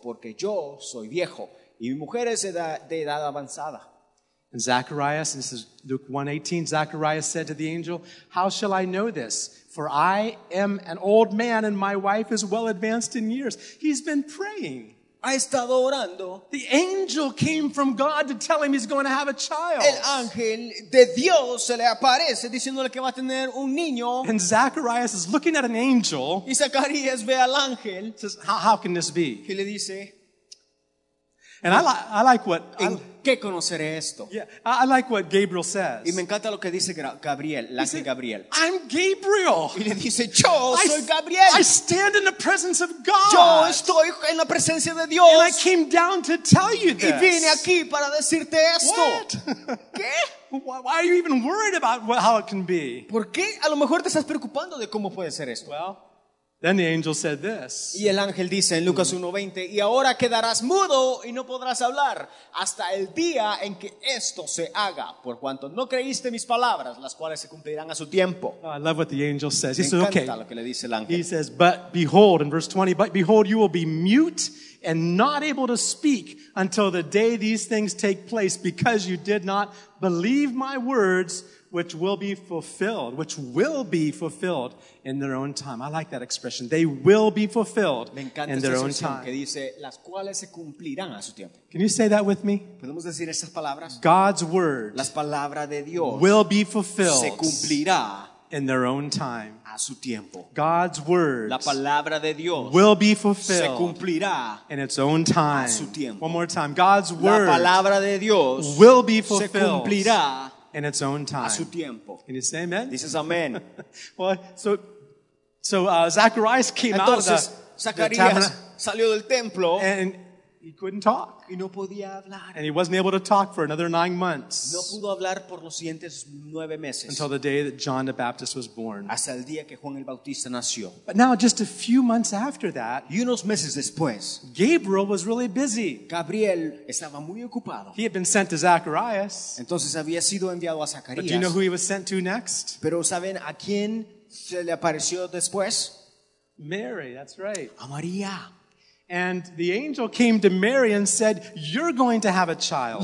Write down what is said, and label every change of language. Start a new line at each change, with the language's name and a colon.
Spanish: Porque yo soy viejo y mi mujer es de edad avanzada.
English: And Zacharias, this is Luke 1:18, Zacharias said to the angel, how shall I know this? For I am an old man and my wife is well advanced in years. He's been praying.
Spanish: Ha estado orando.
English: The angel came from God to tell him he's going to have a child.
Spanish: El ángel de Dios se le aparece diciéndole que va a tener un niño.
English: And Zacharias is looking at an angel.
Spanish: Y Zacarías ve al ángel.
English: Says, how can this be?
Spanish: Y le dice.
English: And I like what...
Spanish: En,
English: I,
Spanish: qué conoceré esto?
English: Yeah, I like what Gabriel says.
Spanish: Y me encanta lo que dice Gabriel, la que Gabriel.
English: I'm Gabriel.
Spanish: Y le dice, yo soy Gabriel.
English: I stand in the presence of God.
Spanish: Yo estoy en la presencia de Dios.
English: And I came down to tell you this.
Spanish: Y vine aquí para decirte esto.
English: What? ¿Qué? Why are you even worried about how it can be?
Spanish: ¿Por qué a lo mejor te estás preocupando de cómo puede ser esto?
English: Well, then the angel said this.
Spanish: Y el ángel dice en Lucas 1:20, y ahora quedarás mudo y no podrás hablar hasta el día en que esto se haga, por cuanto no creíste mis palabras, las cuales se cumplirán a su tiempo.
English: Oh, I love what the angel says. He says, okay.
Spanish: Lo que le dice el ángel.
English: He says, but behold, in verse 20, but behold, you will be mute and not able to speak until the day these things take place, because you did not believe my words, which will be fulfilled in their own time. I like that expression. They will be fulfilled in their own time.
Spanish: Que dice, las cuales se cumplirán a su tiempo.
English: Can you say that with me?
Spanish: ¿Podemos decir esas palabras?
English: God's word,
Spanish: las palabras de Dios,
English: will be fulfilled,
Spanish: se cumplirá,
English: in their own time.
Spanish: A su tiempo.
English: God's word,
Spanish: la palabra de Dios,
English: will be fulfilled,
Spanish: se cumplirá,
English: in its own time.
Spanish: A su tiempo.
English: One more time. God's word,
Spanish: la palabra de Dios,
English: will be fulfilled,
Spanish: se cumplirá,
English: in its own time.
Spanish: A su tiempo.
English: Can you say amen?
Spanish: Dices amén.
English: Well, so Zacharias came out of the temple, and he couldn't talk.
Spanish: Y no podía hablar.
English: And he wasn't able to talk for another 9 months.
Spanish: No pudo hablar por los siguientes 9 meses.
English: Until the day that John the Baptist was born.
Spanish: Hasta el día que Juan el Bautista nació.
English: But now, just a few months after that,
Spanish: y unos meses después,
English: Gabriel was really busy.
Spanish: Gabriel estaba muy ocupado.
English: He had been sent to Zacharias.
Spanish: Entonces había sido enviado a Zacarías.
English: But do you know who he was sent to next?
Spanish: Pero ¿saben a quién se le apareció después?
English: Mary, that's right.
Spanish: A María.
English: And the angel came to Mary and said, you're going to have a child.